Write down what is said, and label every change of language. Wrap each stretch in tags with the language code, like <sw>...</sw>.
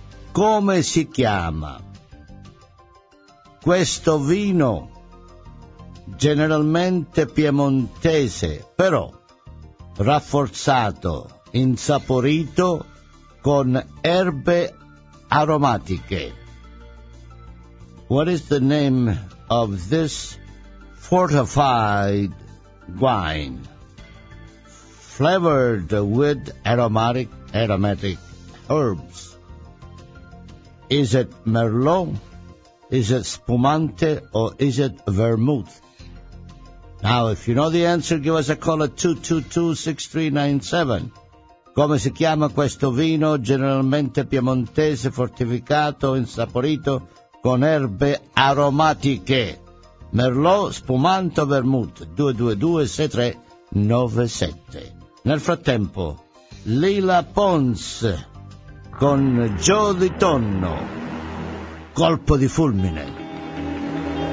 <it>Come si chiama questo vino generalmente piemontese, però rafforzato, insaporito con erbe aromatiche?</it> <en>What is the name of this fortified wine, flavored with aromatic herbs? Is it Merlot? Is it Spumante? Or is it Vermouth? Now, if you know the answer, give us a call at 222-6397.</en> <it>Come si chiama questo vino generalmente piemontese, fortificato, insaporito con erbe aromatiche? Merlot, Spumante, Vermouth? 222-6397. Nel frattempo, Lila Pons con Joe Di Tonno, Colpo di Fulmine.</it>